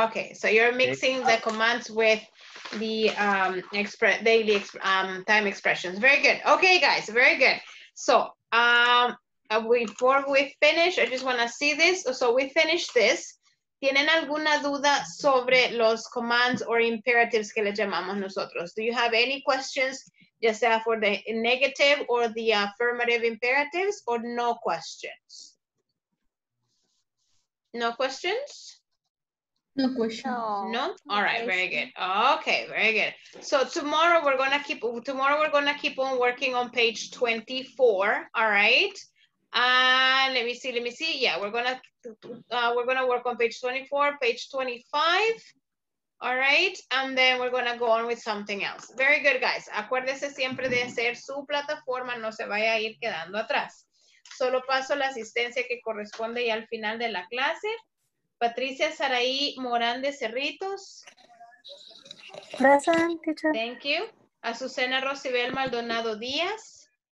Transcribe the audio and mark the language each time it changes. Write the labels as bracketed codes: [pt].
[en] Okay, so you're mixing the commands with the time expressions. Very good. Okay, guys, very good. So before we finish, I just want to see this. So we finish this. [es] ¿Tienen alguna duda sobre los [en] commands or imperatives [es] que les llamamos nosotros? [en] Do you have any questions, [es] ya sea [en] for the negative or the affirmative imperatives, or no questions? No questions? No questions. No? All right, very good. Okay, very good. So tomorrow we're gonna keep on working on page 24, all right? Let me see. Yeah, we're gonna work on page 24, page 25. All right, and then we're gonna go on with something else. Very good, guys. [es] Acuérdese siempre de hacer su plataforma, no se vaya a ir quedando atrás. Solo paso la asistencia que corresponde ya al final de la clase. Patricia Saraí Morán de Cerritos. [en] Present, teacher. Thank you. Azucena Rocibel Maldonado Díaz.